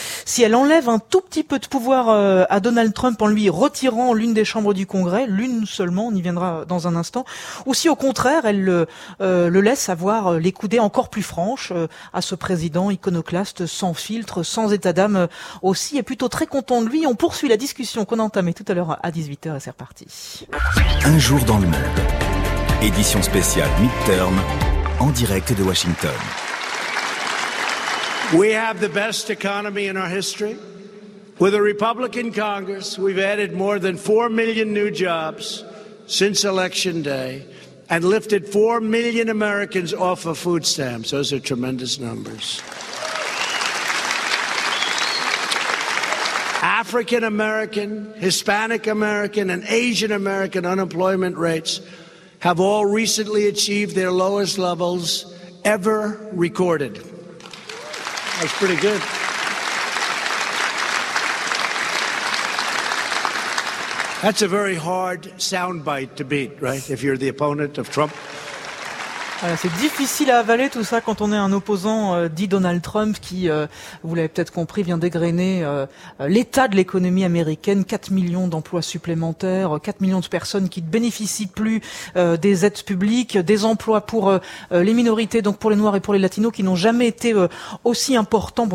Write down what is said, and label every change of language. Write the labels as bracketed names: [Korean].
[French] Si elle enlève un tout petit peu de pouvoir à Donald Trump en lui retirant l'une des chambres du Congrès, l'une seulement, on y viendra dans un instant, ou si au contraire, elle le laisse avoir les coudées encore plus franches à ce président arrogant, iconoclaste, sans filtre, sans état d'âme aussi, et plutôt très content de lui. On poursuit la discussion qu'on a entamée tout à l'heure à 18h, et c'est reparti. Un jour dans le monde, édition spéciale Midterm, en direct de Washington. [English] We have the best economy in our history. With a Republican Congress, we've added more than 4 million new jobs since Election Day and lifted 4 million Americans off of food stamps. Those are tremendous numbers. African American, Hispanic American, and Asian American unemployment rates have all recently achieved their lowest levels ever recorded. That's pretty good. That's a very hard soundbite to beat, right? If you're the opponent of Trump. [French] Voilà, c'est difficile à avaler tout ça quand on est un opposant dit Donald Trump qui, vous l'avez peut-être compris, vient dégrainer l'état de l'économie américaine, 4 millions d'emplois supplémentaires, 4 millions de personnes qui ne bénéficient plus des aides publiques, des emplois pour les minorités, donc pour les Noirs et pour les Latinos qui n'ont jamais été aussi importants.